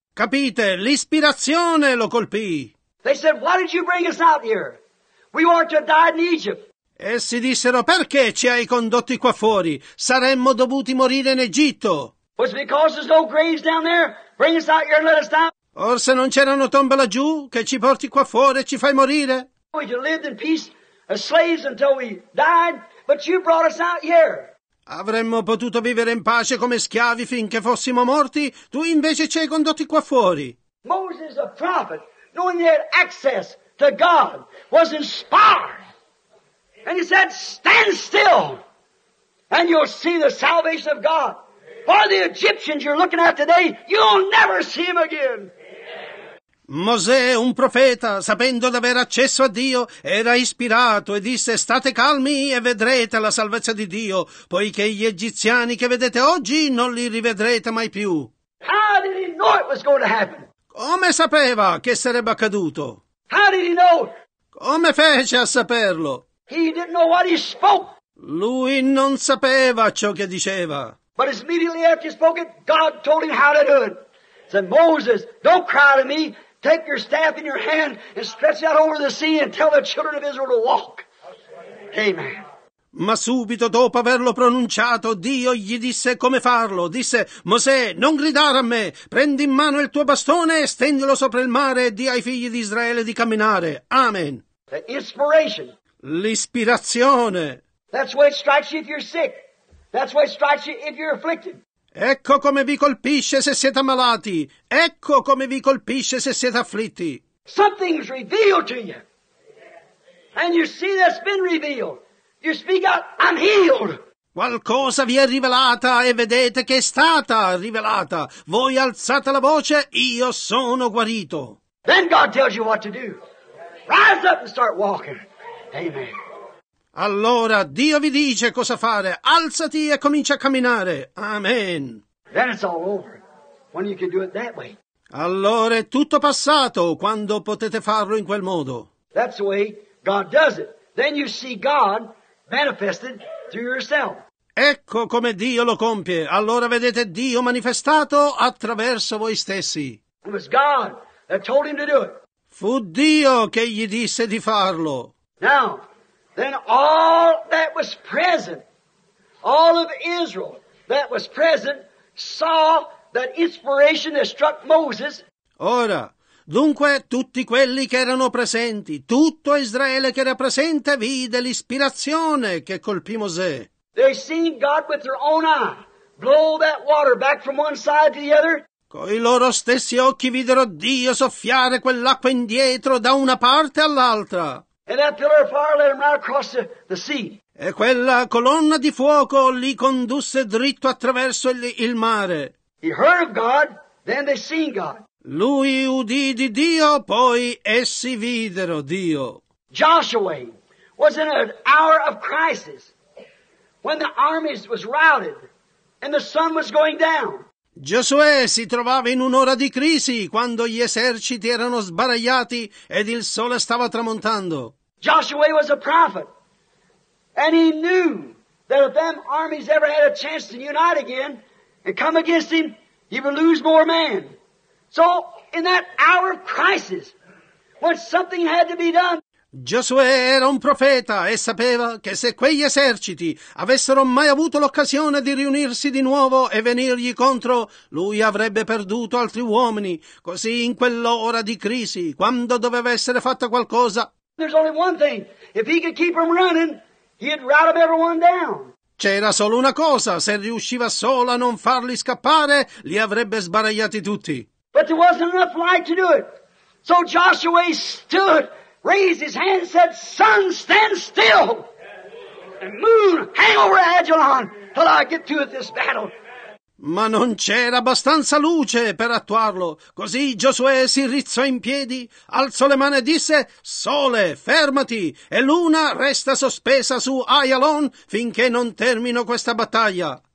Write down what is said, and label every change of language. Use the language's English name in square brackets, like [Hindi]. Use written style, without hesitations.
[Italian] Capite, l'ispirazione lo colpì. [English] They said, why did you bring us out here? We want to die in Egypt. [Italian] Essi dissero, perché ci hai condotti qua fuori? Saremmo dovuti morire in Egitto. [English] Was it because there's no graves down there? Bring us out here and let us die. [Italian] Forse non c'erano tombe laggiù che ci porti qua fuori e ci fai morire. [English] We lived in peace as slaves until we died, but you brought us out here. [Italian] Avremmo potuto vivere in pace come schiavi finché fossimo morti, tu invece ci hai condotti qua fuori. [English] Moses, a prophet, knowing he had access to God, was inspired. And he said, stand still, and you'll see the salvation of God. For the Egyptians you're looking at today, you'll never see him again. [Italian] Mosè, un profeta, sapendo d'aver accesso a Dio, era ispirato e disse: state calmi e vedrete la salvezza di Dio, poiché gli egiziani che vedete oggi non li rivedrete mai più. [English] How did he know it was going to happen? [Italian] Come sapeva che sarebbe accaduto? [English] How did he know? [Italian] Come fece a saperlo? [English] He didn't know what he spoke. [Italian] Lui non sapeva ciò che diceva. [English] But immediately after he spoke it, God told him how to do it. Said, Moses, don't cry to me. Take your staff in your hand and stretch it out over the sea and tell the children of Israel to walk. Amen. [Italian] Ma subito dopo averlo pronunciato, Dio gli disse come farlo. Disse, Mosè, non gridare a me. Prendi in mano il tuo bastone e stendilo sopra il mare e di' ai figli di Israele di camminare. Amen. [English] The inspiration. [Italian] L'ispirazione. [English] That's why it strikes you if you're sick. That's why it strikes you if you're afflicted. [Italian] Ecco come vi colpisce se siete ammalati. Ecco come vi colpisce se siete afflitti. [English] Something's revealed to you. And you see that's been revealed. You speak out, I'm healed. [Italian] Qualcosa vi è rivelata e vedete che è stata rivelata. Voi alzate la voce, io sono guarito. [English] Then God tells you what to do. Rise up and start walking. Amen. [Italian] Allora Dio vi dice cosa fare. Alzati e comincia a camminare. Amen. [English] Then it's all over. When you can do it that way. [Italian] Allora è tutto passato quando potete farlo in quel modo. [English] That's the way God does it. Then you see God manifested through yourself. [Italian] Ecco come Dio lo compie. Allora vedete Dio manifestato attraverso voi stessi. [English] It was God that told him to do it. [Italian] Fu Dio che gli disse di farlo. [English] Now, then all that was present, all of Israel that was present, saw that inspiration that struck Moses. [Italian] Ora, dunque, tutti quelli che erano presenti, tutto Israele che era presente, vide l'ispirazione che colpì Mosè. [English] They seen God with their own eye blow that water back from one side to the other. [Italian] Coi loro stessi occhi videro Dio soffiare quell'acqua indietro da una parte all'altra. [English] And that pillar of fire led them right across the sea. [Italian] E quella colonna di fuoco li condusse dritto attraverso il mare. [English] He heard of God, then they seen God. [Italian] Lui udì di Dio, poi essi videro Dio. [English] Joshua was in an hour of crisis when the armies was routed and the sun was going down. [Italian] Giosuè si trovava in un'ora di crisi quando gli eserciti erano sbaragliati ed il sole stava tramontando. [English] Joshua was a prophet and he knew that if them armies ever had a chance to unite again and come against him, he would lose more men. So, in that hour of crisis, when something had to be done, [Italian] Giosuè era un profeta e sapeva che se quegli eserciti avessero mai avuto l'occasione di riunirsi di nuovo e venirgli contro, lui avrebbe perduto altri uomini. Così, in quell'ora di crisi, quando doveva essere fatta qualcosa, [English] there's only one thing. If he could keep them running, he'd rout them everyone down. [Italian] C'era solo una cosa. Se riusciva solo a non farli scappare, li avrebbe sbaragliati tutti. [English] But there wasn't enough light to do it. So Joshua stood, raised his hand, said, sun, stand still. And moon, hang over Ajalon till I get through this battle. [Italian] Ma non c'era abbastanza luce per attuarlo. Così Giosuè si rizzò in piedi, alzò le mani e disse, sole, fermati, e luna resta sospesa su Ajalon finché non termino questa battaglia.